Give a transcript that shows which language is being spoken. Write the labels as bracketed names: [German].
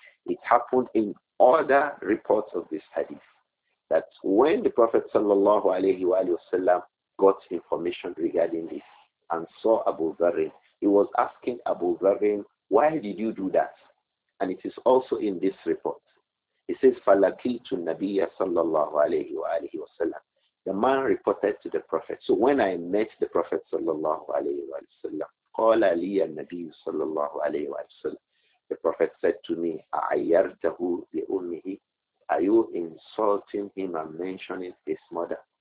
[English] It happened in other reports of this hadith, that when the Prophet sallallahu alayhi wa sallam got information regarding this and saw Abu Dharrin, he was asking Abu Dharrin, why did you do that? And it is also in this report. He says, [Arabic] فَلَكِلْتُ النَّبِيَّ صَلَّى اللَّهُ عَلَيْهِ وَسَلَّمْ. [English] The man reported to the Prophet. So when I met the Prophet sallallahu alayhi wa sallam, [Arabic] قَالَ لِيَ النَّبِيُّ صَلَّى اللَّهُ عَلَيْهِ وَسَلَّمْ. [English] The Prophet said to me, [Arabic] أَعَيَّرْتَهُ لِأُمِّهِ. [English] Are you insulting him and mentioning his mother?